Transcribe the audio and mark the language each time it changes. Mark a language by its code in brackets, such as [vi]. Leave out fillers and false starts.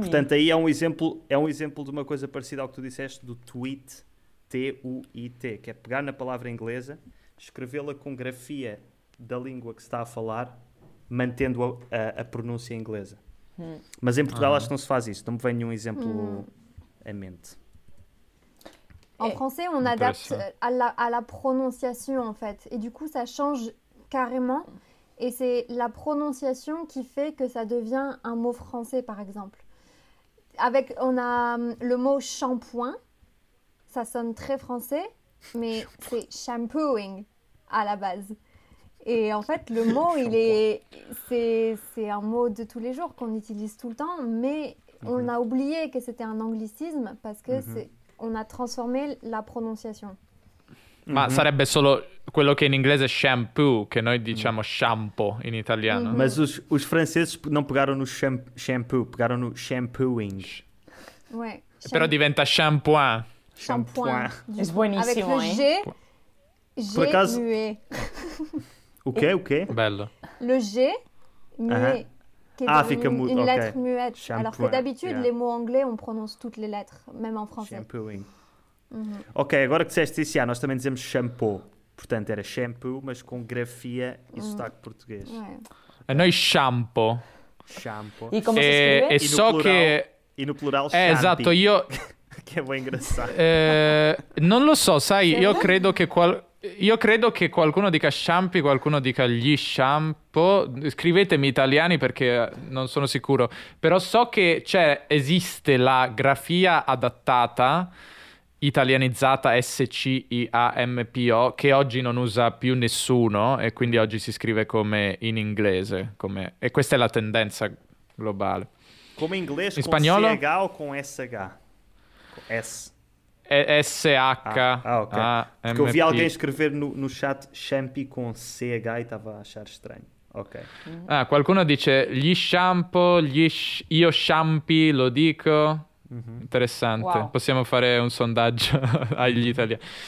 [pt] Portanto, aí é um exemplo de uma coisa parecida ao que tu disseste, do tweet, T-U-I-T, que é pegar na palavra inglesa, escrevê-la com grafia da língua que se está a falar, mantendo a pronúncia inglesa. Mas em Portugal acho que não se faz isso, não me vem nenhum exemplo à mente. [fr] En français, on adapte à la prononciation, en fait. Et du coup, ça change carrément. Et c'est la prononciation qui fait que ça devient un mot français, par exemple. Avec, on a le mot shampoing. Ça sonne très français, mais c'est shampooing à la base. Et en fait, le mot, il est, c'est un mot de tous les jours qu'on utilise tout le temps. Mais on a oublié que c'était un anglicisme parce que c'est... On a transformé la pronunciation. [it] Ma sarebbe solo quello che in inglese è shampoo, che noi diciamo shampoo in italiano. Mm-hmm. [pt] Mas os franceses [it] non pegarono shampoo, pegarono shampooing. [fr] Ouais. [it] Però diventa shampooing. Shampooing. È buonissimo, [fr] Avec le G, G muet. Ok, ok. [it] Bello. [fr] Le G muet. Ah, fica muet. Une lettre muette. Shampooing. Alors que d'habitude, les mots anglais, on prononce toutes les lettres, même en français. Shampooing. [pt] Ok, agora que disseste isso, nós também dizemos shampoo. Portanto, era shampoo, mas com grafia e sotaque português. [it] É. Okay. Noi shampoo. Shampoo. [pt] E como se escreve? E só plural, que... E no plural, [it] shampoo. Esatto, io... [pt] Que é bem engraçado. [it] Non lo so, sai, io credo che qual... Io credo che qualcuno dica shampoo, qualcuno dica gli shampoo. Scrivetemi italiani perché non sono sicuro. Però so che c'è, esiste la grafia adattata, italianizzata, S-C-I-A-M-P-O, che oggi non usa più nessuno e quindi oggi si scrive come in inglese. Come... E questa è la tendenza globale. Come in inglese, in spagnolo? Con C-H o con S-H? S. S-H. Ah, ok. [pt] Porque eu vi alguém escrever no chat shampoo com CH e estava a achar estranho. Ok. [it] Ah, qualcuno dice gli shampoo, gli io shampoo, lo dico. Interessante. Wow. Possiamo fare un sondaggio agli italiani.